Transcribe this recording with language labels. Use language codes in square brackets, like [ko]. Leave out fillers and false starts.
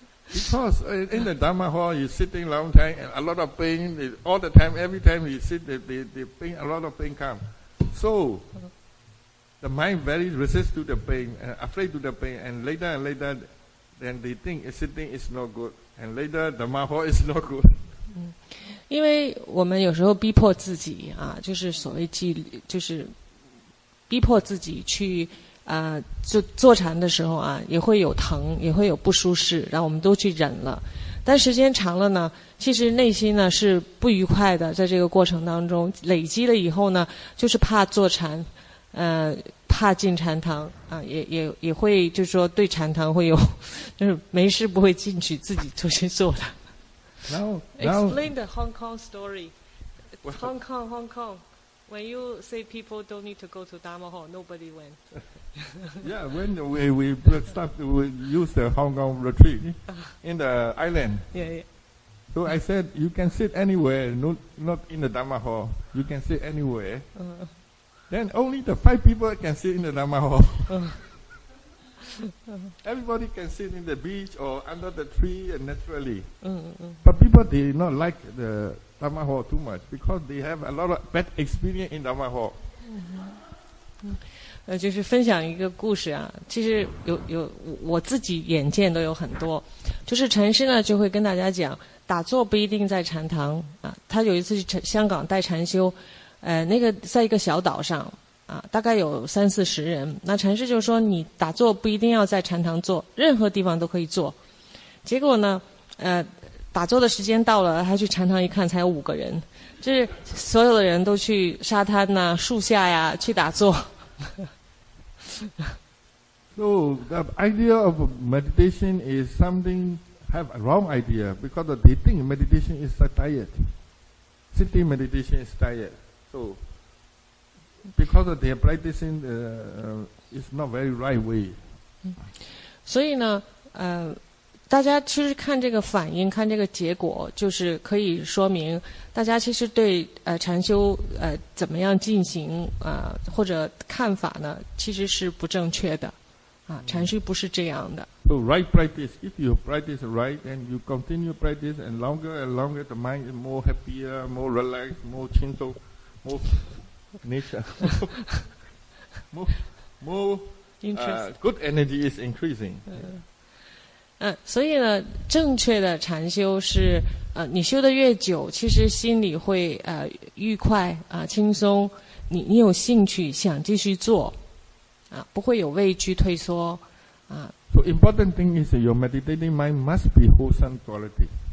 [en] Because in the Dhamma Hall, you're sitting a long time and a lot of pain, all the time, every time you sit, the pain, a lot of pain comes. So,The mind very resists to the pain, afraid to the pain, and later, then they think sitting is not good, and later the maho is not good. [zh] 因为我们有时候逼迫自己啊，就是所谓纪律，就是逼迫自己去就坐禅的时候啊，也会有疼，也会有不舒适，然后我们都去忍了。但时间长了呢，其实内心呢是不愉快的，在这个过程当中累积了以后呢，就是怕坐禅。怕进禅堂啊，也会就是说对禅堂会有，就是没事不会进去自己出去做的。 [en] Now explain the Hong Kong story. Hong Kong, Hong Kong. When you say people don't need to go to Dharma Hall, nobody went. Yeah, when we start to use the Hong Kong retreat in the island. Yeah. So I said you can sit anywhere, not in the Dharma Hall. You can sit anywhere. Then only the five people can sit in the Dharma Hall. Everybody can sit in the beach or under the tree and naturally. But people do not like the Dharma Hall too much because they have a lot of bad experience in Dharma Hall. [zh] 就是分享一个故事啊，其实有我自己眼见都有很多，就是禅师呢就会跟大家讲，打坐不一定在禅堂啊。他有一次去香港带禅修。那个在一个小岛上啊，大概有三四十人。那禅师就说：“你打坐不一定要在禅堂坐，任何地方都可以坐。” 结果呢，打坐的时间到了，他去禅堂一看，才有五个人，就是所有的人都去沙滩呐、树下呀去打坐。 [en] So the idea of meditation is something have a wrong idea because they think meditation is a diet. Sitting meditation is diet. So, because of their practicing, it's not very right way. [zh] 所以呢，大家其实看这个反应，看这个结果，就是可以说明大家其实对禅修怎么样进行或者看法呢，其实是不正确的啊，禅修不是这样的。 [en] So right practice, if you practice right and you continue practice and longer and longer, the mind is more happier, more relaxed, more 轻松 more nature, more good energy is increasing.、 [zh] 所以呢，正确的禅修是，你修得越久，其实心里会愉快轻松，你有兴趣想继续做，不会有畏惧退缩， [en] So important thing is your meditating mind must be wholesome quality.